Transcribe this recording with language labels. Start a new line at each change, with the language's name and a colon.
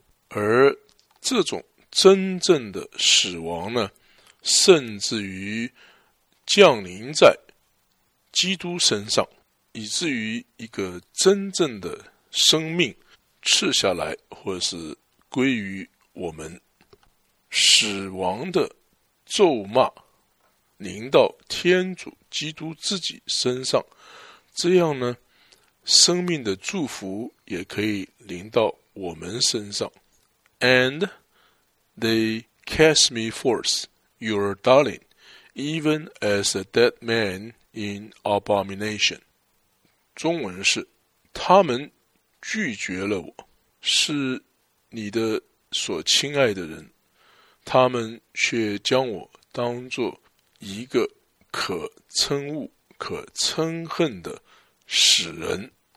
Chinese: 而这种真正的死亡呢，甚至于降临在基督身上，以至于一个真正的生命赐下来，或者是归于我们。死亡的咒骂临到天主基督自己身上，这样呢，生命的祝福也可以临到我们身上。
English: And they cast me forth, your darling, even as a dead man in abomination.
Chinese: 中文是，他们拒绝了我，是你的所亲爱的人，他们却将我当作一个可憎恶、可憎恨的死人。